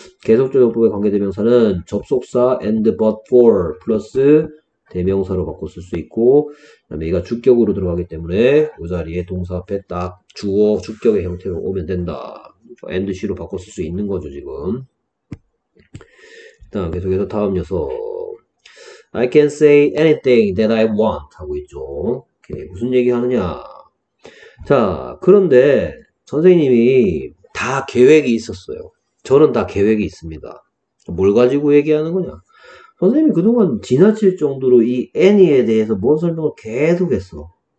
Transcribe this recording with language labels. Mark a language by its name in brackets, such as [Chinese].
[Korean] 계속적용법의 관계대명사는 접속사 and but for 플러스 대명사로 바꿔 쓸수 있고, 그다음에 얘가 주격으로 들어가기 때문에 이 자리에 동사 앞에 딱 주어 주격의 형태로 오면 된다. and she로 바꿔 쓸수 있는 거죠, 지금. 다음 계속해서 다음 녀석. [English] I can say anything that I want [Korean] 하고 있죠. 오케이, 무슨 얘기 하느냐? 자, 그런데 선생님이 다 계획이 있었어요. 저는 다 계획이 있습니다. 뭘 가지고 얘기하는 거냐? 선생님이 그동안 지나칠 정도로 이 애니에 대해서 뭔 설명을 계속했어.